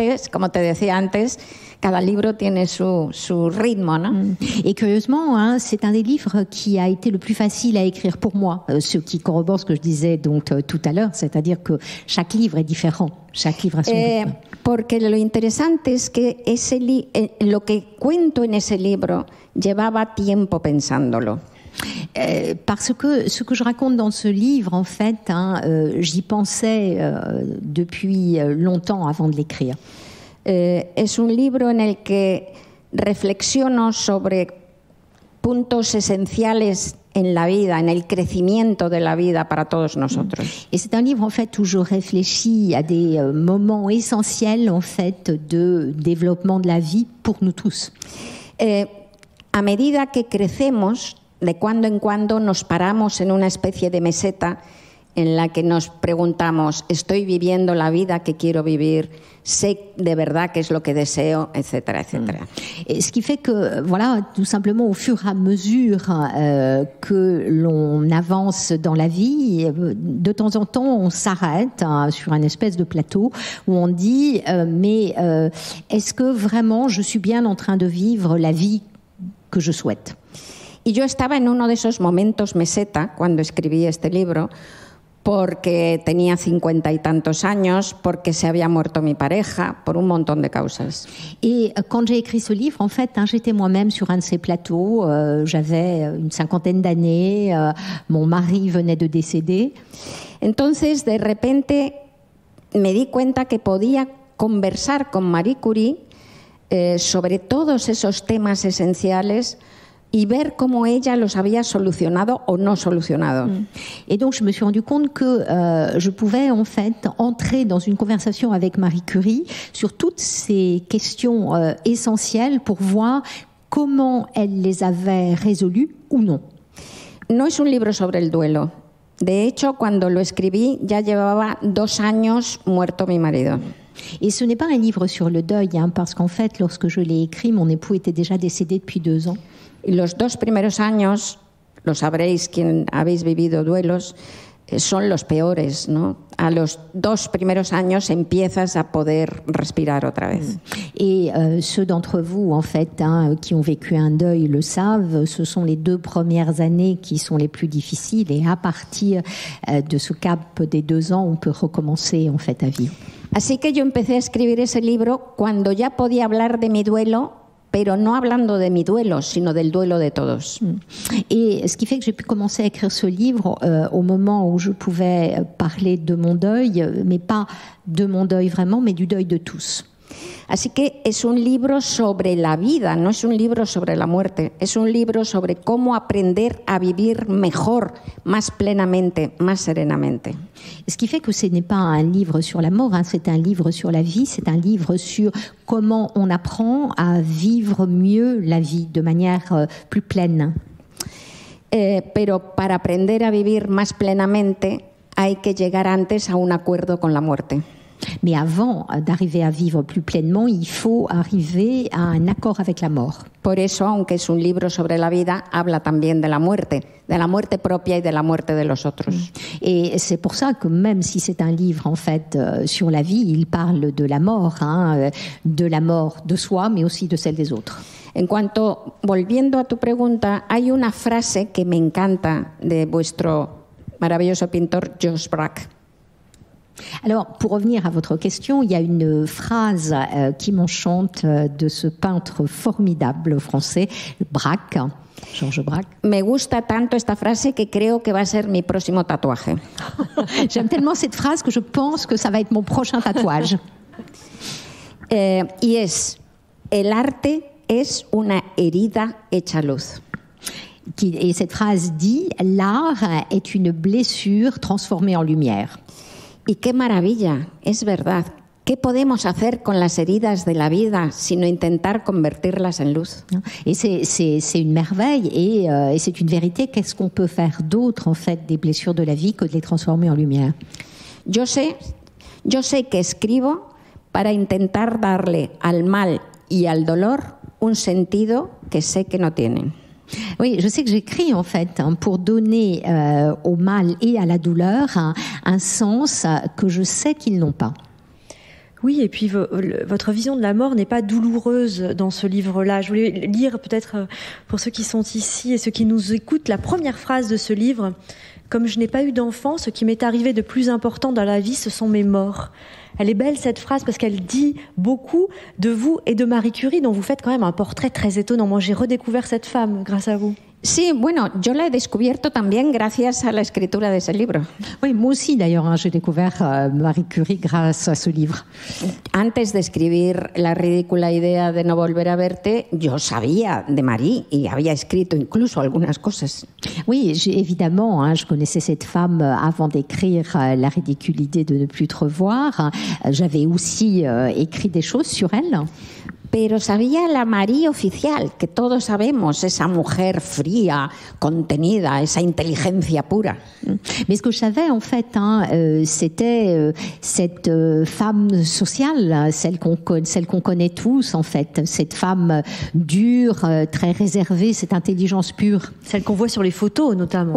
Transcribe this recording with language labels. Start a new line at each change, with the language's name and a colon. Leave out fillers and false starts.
Spanish: Como te decía antes, cada libro tiene su ritmo, ¿no?
French: Et curieusement, hein, c'est un des livres qui a été le plus facile à écrire pour moi, ce qui corrobore ce que je disais donc tout à l'heure, c'est-à-dire que chaque livre est différent, chaque livre a son rythme.
Spanish: Porque lo interesante es que lo que cuento en ese libro llevaba tiempo pensándolo.
French: Parce que ce que je raconte dans ce livre, en fait, hein, j'y pensais depuis longtemps avant de l'écrire.
Spanish: Es un libro en el que reflexiono sobre puntos esenciales en la vida, en el crecimiento de la vida para todos nosotros.
French: Et c'est un livre, en fait, où je réfléchis à des moments essentiels, en fait, de développement de la vie pour nous tous.
Spanish: À medida que crecemos, de cuando en cuando nos paramos en una especie de meseta en la que nos preguntamos, ¿estoy viviendo la vida que quiero vivir? ¿Sé de verdad qué es lo que deseo? Etcétera, etcétera.
French: Et ce qui fait que, voilà, tout simplement au fur et à mesure que l'on avance dans la vie, de temps en temps on s'arrête hein, sur une espèce de plateau où on dit, est-ce que vraiment je suis bien en train de vivre la vie que je souhaite?
Spanish: Y yo estaba en uno de esos momentos meseta cuando escribí este libro, porque tenía 50 y tantos años, porque se había muerto mi pareja, por un montón de causas. Y cuando
French: j'ai écrit ce livre, en fait, hein, j'étais moi-même sur un de ces plateaux, j'avais une cinquantaine d'années, mon mari venait de décéder.
Spanish: Entonces, de repente, me di cuenta que podía conversar con Marie Curie sobre todos esos temas esenciales. Y ver cómo ella los había solucionado o no solucionado.
French: Et donc je me suis rendu compte que je pouvais en fait entrer dans une conversation avec Marie Curie sur toutes ces questions essentielles pour voir comment elle les avait résolues ou non.
Spanish: No es un libro sobre el duelo. De hecho, cuando lo escribí, ya llevaba 2 años muerto mi marido.
French: Et ce n'est pas un livre sur le deuil, hein, parce qu'en fait, lorsque je l'ai écrit, mon époux était déjà décédé depuis 2 ans.
Spanish: Y los 2 primeros años, lo sabréis quien habéis vivido duelos, son los peores, ¿no? A los 2 primeros años empiezas a poder respirar otra vez.
French: Et ceux d'entre vous, en fait, hein, qui ont vécu un deuil le savent, ce sont les 2 premières années qui sont les plus difficiles et à partir de ce cap des 2 ans, on peut recommencer en fait à vivre.
Spanish: Así que yo empecé a escribir ese libro cuando ya podía hablar de mi duelo. Pero no hablando de mi duelo, sino del duelo de todos.
French: Et ce qui fait que j'ai pu commencer à écrire ce livre au moment où je pouvais parler de mon deuil, mais pas de mon deuil vraiment, mais du deuil de tous.
Spanish: Así que es un libro sobre la vida, no es un libro sobre la muerte. Es un libro sobre cómo aprender a vivir mejor, más plenamente, más serenamente.
French: Ce qui fait que ce n'est pas un livre sur la mort, hein, c'est un livre sur la vie, c'est un livre sur comment on apprend à vivre mieux la vie de manière plus pleine.
Spanish: Pero para aprender a vivir más plenamente, hay que llegar antes a un acuerdo con la muerte.
French: Mais avant d'arriver à vivre plus pleinement, il faut arriver à un accord avec la mort.
Spanish: Por eso, aunque es un libro sobre la vida, habla también de la muerte propia y de la muerte de los otros.
French: Et c'est pour ça que même si c'est un livre en fait sur la vie, il parle de la mort, hein, de la mort de soi, mais aussi de celle des autres.
Spanish: En cuanto volviendo a tu pregunta, hay una frase que me encanta de vuestro maravilloso pintor Georges Braque.
French: Alors, pour revenir à votre question, il y a une phrase qui m'enchante de ce peintre formidable français, Braque, Georges Braque.
Spanish: Me gusta tanto esta frase que creo que va a ser mi próximo tatuaje.
French: J'aime tellement cette phrase que je pense que ça va être mon prochain tatouage.
Spanish: Yes, el arte es una herida hecha luz.
French: Et cette phrase dit, l'art est une blessure transformée en lumière.
Spanish: Y qué maravilla, es verdad. ¿Qué podemos hacer con las heridas de la vida sino intentar convertirlas en luz?
French: Et c'est une merveille et c'est une vérité. Qu'est-ce qu'on peut faire d'autre en fait des blessures de la vie que de les transformer en lumière?
Spanish: Yo sé que escribo para intentar darle al mal y al dolor un sentido que sé que no tienen.
French: Oui, je sais que j'écris en fait pour donner au mal et à la douleur un sens que je sais qu'ils n'ont pas. Oui, et puis votre vision de la mort n'est pas douloureuse dans ce livre-là. Je voulais lire peut-être pour ceux qui sont ici et ceux qui nous écoutent la première phrase de ce livre. Comme je n'ai pas eu d'enfant, ce qui m'est arrivé de plus important dans la vie, ce sont mes morts. Elle est belle cette phrase parce qu'elle dit beaucoup de vous et de Marie Curie, dont vous faites quand même un portrait très étonnant. Moi, j'ai redécouvert cette femme grâce à vous.
Spanish: Sí, bueno, yo la he descubierto también gracias a la escritura de ese libro.
French: Oui, moi aussi d'ailleurs, hein, j'ai découvert Marie Curie grâce à ce livre.
Spanish: Antes de escribir la ridícula idea de no volver a verte, yo sabía de Marie y había escrito incluso algunas cosas.
French: Oui, évidemment, hein, je connaissais cette femme avant d'écrire la ridicule idée de ne plus te revoir. J'avais aussi écrit des choses sur elle.
Spanish: Pero sabía la María oficial, que todos sabemos, esa mujer fría, contenida, esa inteligencia pura.
French: Mais ce que je savais, en fait, hein, c'était cette femme sociale, celle qu'on connaît tous, en fait, cette femme dure, très réservée, cette intelligence pure. Celle qu'on voit sur les photos, notamment.